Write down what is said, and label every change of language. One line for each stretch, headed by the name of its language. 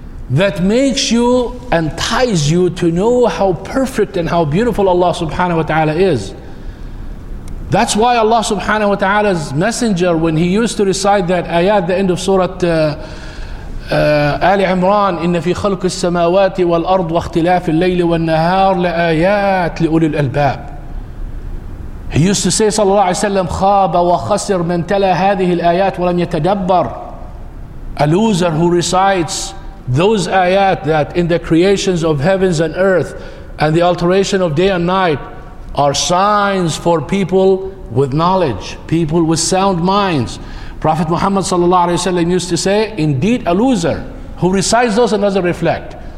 English: that makes you and ties you to know how perfect and how beautiful Allah subhanahu wa ta'ala is. That's why Allah subhanahu wa ta'ala's messenger, when he used to recite that ayah at the end of Surah Ali Imran,
Arabic: إِنَّ فِي خَلْقِ السَّمَاوَاتِ وَالْأَرْضِ وَاخْتِلَافِ اللَّيْلِ وَالنَّهَارِ لَآيَاتِ لِأُولِي الْأَلْبَابِ.
English: He used to say,
Arabic: صلى الله عليه وسلم, خَابَ وَخَسِرْ مَنْ تَلَى هَذِهِ الْآيَاتِ وَلَمْ يَتَدَبَّرْ.
English: A loser who recites those ayat, that in the creations of heavens and earth and the alteration of day and night are signs for people with knowledge, people with sound minds. Prophet Muhammad sallallahu alaihi wasallam used to say, indeed a loser who recites those and doesn't reflect.